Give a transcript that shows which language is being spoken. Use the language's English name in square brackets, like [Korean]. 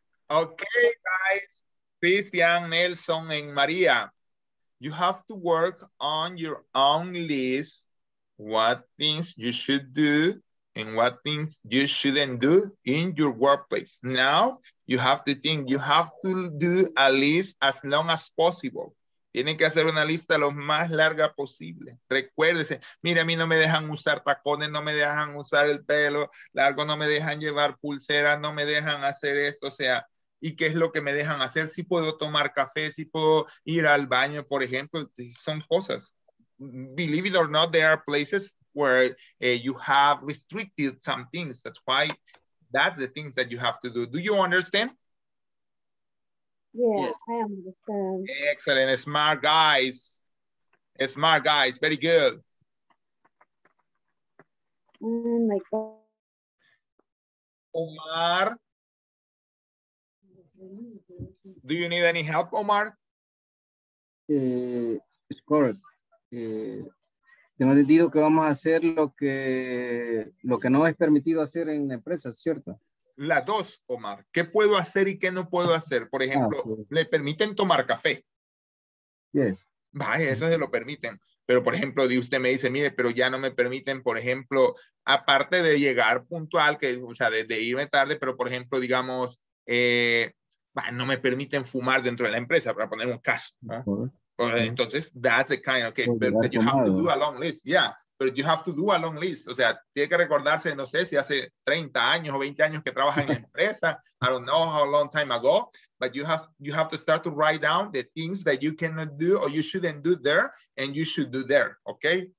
[English] Okay, guys, Christian, Nelson, and Maria, you have to work on your own list what things you should do and what things you shouldn't do in your workplace. Now, you have to think, you have to do a list as long as possible. [Spanish] Tienen que hacer una lista lo más larga posible. Recuérdese, mire, a mí no me dejan usar tacones, no me dejan usar el pelo largo, no me dejan llevar pulseras, no me dejan hacer esto, o sea, ¿y qué es lo que me dejan hacer? Si puedo tomar café, si puedo ir al baño, por ejemplo, son cosas. [English] Believe it or not, there are places where you have restricted some things. That's why that's the things that you have to do. Do you understand? Yeah, yes. I understand. Excellent. Smart guys. Smart guys. Very good. Omar. Do you need any help, Omar? It's correct. [Spanish] Tengo entendido que vamos a hacer lo que no es permitido hacer en la empresa, ¿cierto? Las dos, Omar. ¿Qué puedo hacer y qué no puedo hacer? Por ejemplo, ¿le permiten tomar café? [English] Yes. [Spanish] Vaya, eso se lo permiten. Pero, por ejemplo, usted me dice, mire, pero ya no me permiten, por ejemplo, aparte de llegar puntual, que, o sea, de irme tarde, pero, por ejemplo, digamos, no me permiten fumar dentro de la empresa, para poner un caso, ¿no? [English] Entonces, that's the kind, okay, but you have to do a long list, yeah, but you have to do a long list, [Spanish] o sea, tiene que recordarse, no sé, si hace 30 años o 20 años que trabaja en la empresa, [English] I don't know how long time ago, but you have to start to write down the things that you cannot do or you shouldn't do there, and you should do there, okay?